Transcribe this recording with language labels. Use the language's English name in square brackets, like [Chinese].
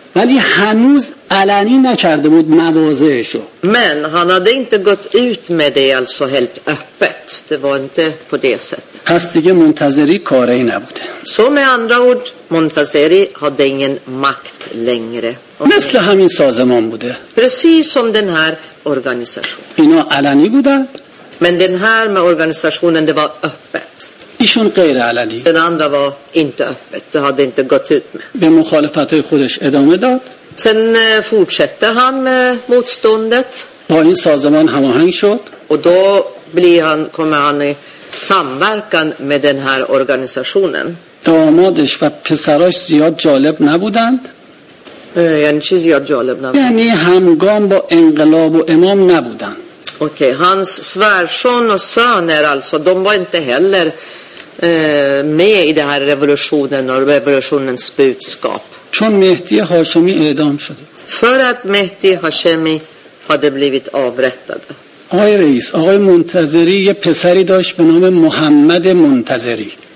[Persian] ولی هنوز علنی نکرده بود موازهشو. [Swedish] من han hade inte gått ut med det alltså helt öppet. Det var inte på det sättet. [Persian] پس دیگه منتظری کاری نبود. [Swedish] Så med andra ord, Montazeri hade ingen makt längre. [Persian] مثل همین سازمان بوده. [Swedish] Precis som den här organisationen. [Persian] اینا علنی بودن. [Swedish] Men den här med organisationen, det var öppet. [Persian] ایشون غیر علنی. [Swedish] Den andra var inte öppet. Det hade inte gått ut med. [Persian] به مخالفت‌های خودش ادامه داد. [Swedish] Sen fortsätter han med motståndet. [Persian] با این سازمان هماهنگ شد. [Swedish] Och då blir han, kommer han i samverkan med den här organisationen. [Persian] دامادش و پسراش زیاد جالب نبودند. یعنی چی زیاد جالب نبودند؟ یعنی همگام با انقلاب و امام نبودند. [Swedish] Okej, hans svärson och söner alltså, de var inte heller med i den här revolutionen och revolutionens budskap. [Persian] Chon Mehdi Hashemi edam shode. [Swedish] För att Mehdi Hashemi hade blivit avrättad. [Persian] آقای رئیس، آقای منتظری یه پسری داشت به نام محمد منتظری.